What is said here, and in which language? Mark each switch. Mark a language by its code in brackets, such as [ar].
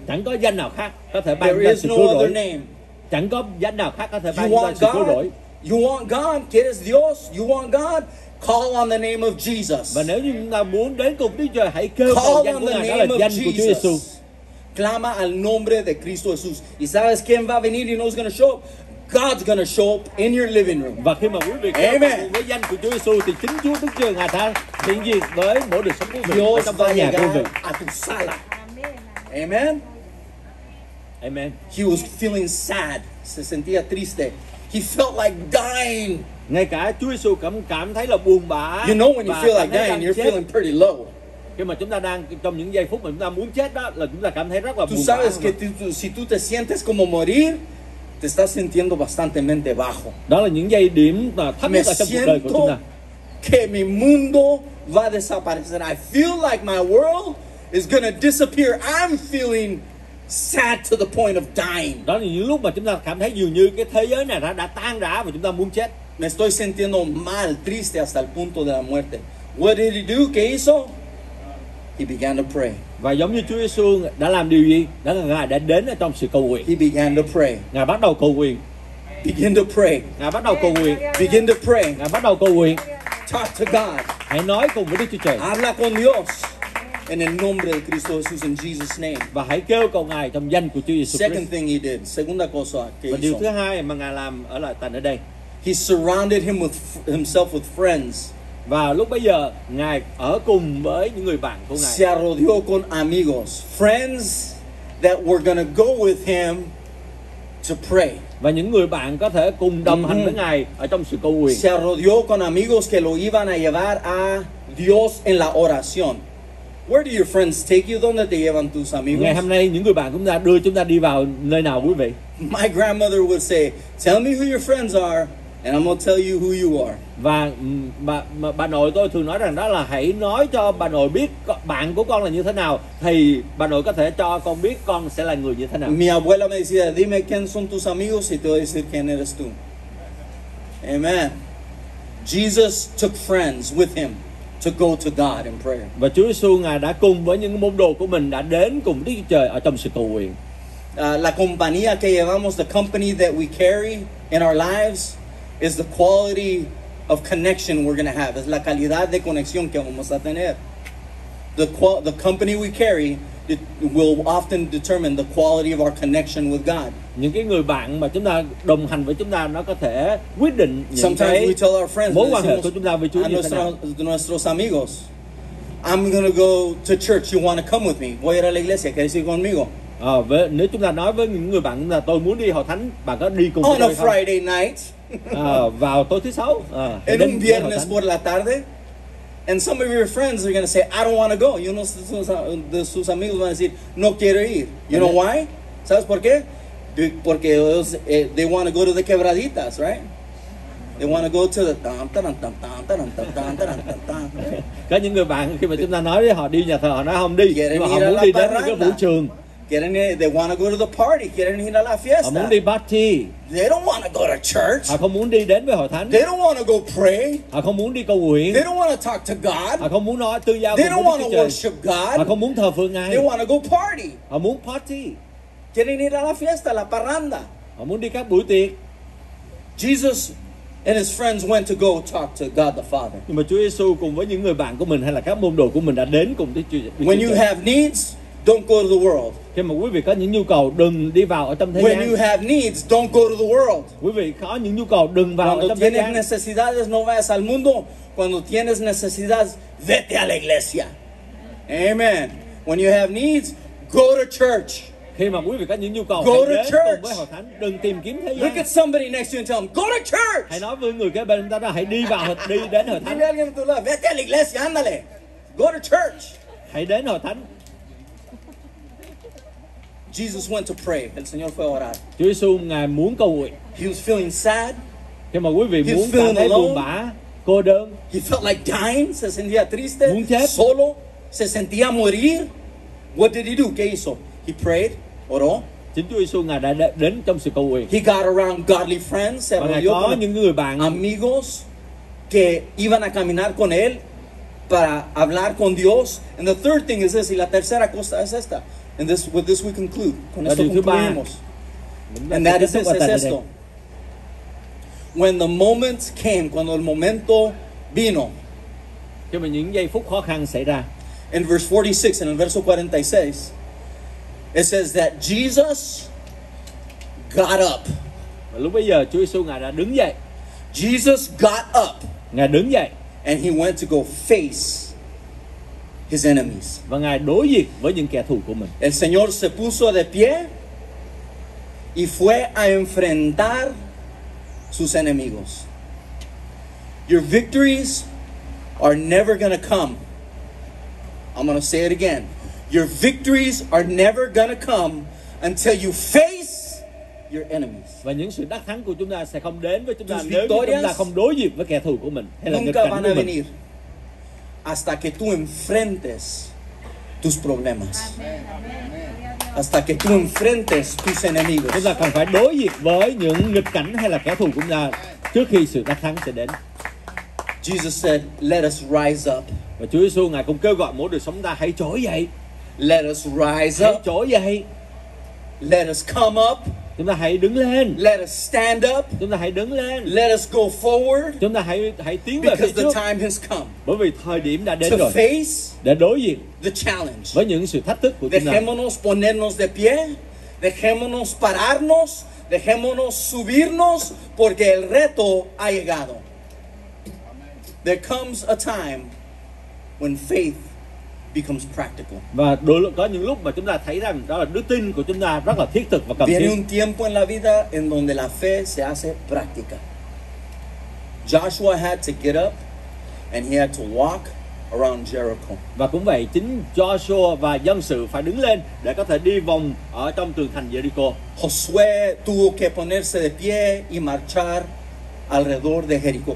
[vi] Chẳng có danh nào khác có thể ban cho sự cứu rỗi. [en] Other name. [vi] Chẳng có danh nào khác có thể ban cho sự cứu rỗi. [en] You want God? [es] Quieres Dios? [en] You want God? Call on the name of Jesus. [vi] Và nếu như chúng ta muốn đến cùng Đức Chúa Trời, hãy kêu gọi danh của Ngài, đó là danh của Chúa Giêsu. [es] Clama al nombre de Cristo Jesús. Y sabes quién va a venir y no es [en] going to show up? God's going to show up in your living room. [vi] Và khi mà quý vị kêu gọi với danh của Chúa Giêsu thì chính Chúa Đức Chúa Ngài thăng hiện diện với mỗi đời sống của mình ở trong nhà quý vị. [es] A tu sala. Amen. [en] Amen. He was feeling sad. [es] Se sentía triste. [en] He felt like dying. [vi] Ngay cả Chúa Giêsu cảm thấy là buồn bã. [en] You know when you feel like dying, you're feeling pretty low. [vi] Khi mà chúng ta đang trong những giây phút mà chúng ta muốn chết đó là chúng ta cảm thấy rất là buồn bã. [es] Tú sabes que si tú te sientes como morir, te estás sintiendo bastante bajo. [vi] Đó là những giây điểm mà thấp nhất ở trong cuộc đời của chúng ta. [es] Que mi mundo va a desaparecer. [en] I feel like my world is gonna disappear. I'm feeling sad to the point of dying. [vi] Đó là những lúc mà chúng ta cảm thấy dường như cái thế giới này đã tan rã và chúng ta muốn chết. [es] Me estoy sintiendo mal, triste hasta el punto de la muerte. [en] What did he do? [es] ¿Qué hizo? [en] He began to pray. [vi] Và giống như Chúa Giêsu đã làm điều gì? Đó là Ngài đã đến ở trong sự cầu nguyện. [en] He began to pray. [vi] Ngài bắt đầu cầu nguyện. [en] Begin to pray. [vi] Ngài bắt đầu cầu nguyện. [en] Begin to pray. [vi] Ngài bắt đầu cầu nguyện. [en] Talk to God. [vi] Hãy nói cùng với Đức Chúa Trời. [es] Habla con Dios. [en] In the name of Christ Jesus, in Jesus' name. [vi] Và hãy kêu cầu Ngài trong danh của Chúa Giêsu Christ. [en] Second thing he did. [es] Segunda cosa que [vi] hizo. Và điều thứ hai mà Ngài làm ở lại tại nơi đây. [en] He surrounded him with himself with friends. [vi] Và lúc bây giờ Ngài ở cùng với những người bạn của Ngài. [es] Se rodeó con amigos, [en] friends that were gonna go with him to pray. [vi] Và những người bạn có thể cùng đồng hành với Ngài ở trong sự cầu nguyện. [es] Se rodeó con amigos que lo iban a llevar a Dios en la oración. [en] Where do your friends take you? [es] Donde te llevan tus amigos? [vi] Ngày hôm nay những người bạn chúng ta đưa chúng ta đi vào nơi nào quý vị? [en] My grandmother would say, "Tell me who your friends are, and I'm gonna tell you who you are." [vi] Và bà nội tôi thường nói rằng đó là hãy nói cho bà nội biết bạn của con là như thế nào thì bà nội có thể cho con biết con sẽ là người như thế nào. [es] Mi abuela me decía, "Dime quién son tus amigos y te voy a decir quién eres tú." [en] Amen. Jesus took friends with him to go to God in prayer. [vi] Và Chúa Giêsu Ngài đã cùng với những môn đồ của mình đã đến cùng Đức Chúa Trời ở trong sự cầu nguyện. [es] La compañía que llevamos, [en] the company that we carry in our lives, is the quality of connection we're going to have. [es] Es la calidad de conexión que vamos a tener. [en] The company we carry, it will often determine the quality of our connection with God. [vi] Những cái người bạn mà chúng ta đồng hành với chúng ta nó có thể quyết định những [en] sometimes [vi] cái [en] we tell our friends, [vi] mối quan hệ của chúng ta với Chúa như thế nào. [es] Nuestros amigos, [en] I'm going to go to church. You want to come with me? [es] Voy a ir a la iglesia. ¿Quieres ir conmigo? [vi] Nếu chúng ta nói với những người bạn là tôi muốn đi hội thánh, bạn có đi cùng [en] on [vi] tôi không? [en] On a Friday night. [vi] vào tối thứ sáu. [es] En un viernes por la tarde. [en] And some of your friends are going to say, I don't want to go. You know, [es] sus amigos van a decir, no quiero ir. [en] You know why? [es] ¿Sabes por qué? Porque ellos, [en] they want to go to the quebraditas, right? They want to go to the tam tam tam tam tam tam tam tam tam tam. [vi] Có những người bạn khi mà chúng ta nói với họ đi nhà thờ, họ nói không đi. Mà họ muốn đi đến cái vũ trường. [es] Quieren ir, [en] they want to go to the party. [es] Quieren ir a la fiesta. [vi] Họ muốn đi party. [en] They don't want to go to church. [vi] Họ không muốn đi đến với hội thánh. [en] They don't want to go pray. [vi] Họ không muốn đi cầu nguyện. [en] They don't want to talk to God. [vi] Họ không muốn nói tư giao. [en] They don't want to worship God. [vi] Họ không muốn thờ phượng Ngài. [en] They want to go party. [vi] Họ muốn party. [es] Quieren ir a la fiesta, la parranda. [vi] Họ muốn đi các buổi tiệc. [en] Jesus and his friends went to go talk to God the Father. [vi] Nhưng mà Chúa Giêsu cùng với những người bạn của mình hay là các môn đồ của mình đã đến cùng Đức Chúa. [en] When you have needs, don't go to the world. [vi] Khi mà quý vị có những nhu cầu, đừng đi vào ở trong thế [en] when [vi] gian. [en] When you have needs, don't go to the world. [vi] Quý vị có những nhu cầu, đừng vào [es] cuando [vi] ở trong thế gian. [es] Cuando tienes necesidades, no vayas al mundo. Cuando tienes necesidades, vete a la iglesia. Amen. [en] When you have needs, go to church. [vi] Khi mà quý vị có những nhu cầu, go hãy đến cùng với hội thánh. Đừng tìm kiếm thế gian. [en] Look at somebody next to you and tell them, go to church. [vi] Hãy nói với người kế bên chúng ta đó, hãy đi vào, đi đến hội thánh. [es] Dile a alguien tu lado, vete a la iglesia, ándale. [en] Go to church. [vi] Hãy đến hội thánh. [en] Jesus went to pray. [es] El Señor fue a orar. [vi] Chúa Giêsu Ngài muốn cầu nguyện. [en] He was feeling sad. [vi] Khi mà quý vị muốn cảm thấy buồn bã, cô đơn. [en] He felt like dying. [es] Se sentía triste. [vi] Muốn chết. [es] Solo. Se sentía morir. [en] What did he do? [es] ¿Qué hizo? [en] He prayed. [es] Oró. [vi] Chính Chúa Giêsu Ngài đã đến trong sự cầu nguyện. [en] He got around godly friends. [vi] Và Ngài có những người bạn. [es] Amigos. Que iban a caminar con él. Para hablar con Dios. [en] And the third thing is this. [es] Y la tercera cosa es esta. [en] And this, with this, we conclude. [es] Con esto concluimos. [en] And that is this, [es] es esto. [en] When the moment came, [es] cuando el momento vino, [vi] khi mà những giây phút khó khăn xảy ra. [en] In verse 46, and in verse 46, it says that Jesus got up. [vi] Và lúc bây giờ Chúa Giêsu Ngài đã đứng dậy. [en] Jesus got up. [vi] Ngài đứng dậy. [en] And he went to go face his enemies. [vi] Và Ngài đối diện với những kẻ thù của mình. [es] El Señor se puso de pie y fue a enfrentar sus enemigos. [en] Your victories are never gonna come. I'm gonna say it again. Your victories are never gonna come until you face your enemies. [vi] Và những sự đắc thắng của chúng ta sẽ không đến với chúng ta nếu chúng ta không đối diện với kẻ thù của mình hay là nghịch cảnh của mình. [es] Nunca van a venir hasta que tú enfrentes tus problemas. Hasta que tú enfrentes tus enemigos. [vi] Chúng ta cần phải đối diện với những nghịch cảnh hay là kẻ thù của chúng ta trước khi sự đắc thắng sẽ đến. [en] Jesus said, "Let us rise up." [vi] Và Chúa Giêsu ngài cũng kêu gọi mỗi đời sống ta hãy trỗi dậy. [en] Let us rise up. [vi] Hãy trỗi dậy. [en] Let us come up. [vi] Chúng ta hãy đứng lên. [en] Let us stand up. [vi] Chúng ta hãy đứng lên. [en] Let us go forward. [vi] Chúng ta hãy tiến về phía trước. [en] Because the time has come. [vi] Bởi vì thời điểm đã đến rồi. [en] To face. [vi] Để đối diện. [en] The challenge. [vi] Với những sự thách thức của chúng ta. [es] Dejémonos ponernos de pie. Dejémonos pararnos. Dejémonos subirnos porque el reto ha llegado. [en] There comes a time when faith becomes practical. [vi] Và đôi lúc có những lúc mà chúng ta thấy rằng đó là đức tin của chúng ta rất là thiết thực và cần thiết. [es] Viene un tiempo en la vida en donde la fe se hace práctica. [en] Joshua had to get up and he had to walk around Jericho. [vi] Và cũng vậy, chính Joshua và dân sự phải đứng lên để có thể đi vòng ở trong tường thành Jericho. [es] Josué tuvo que ponerse de pie y marchar alrededor de Jericho.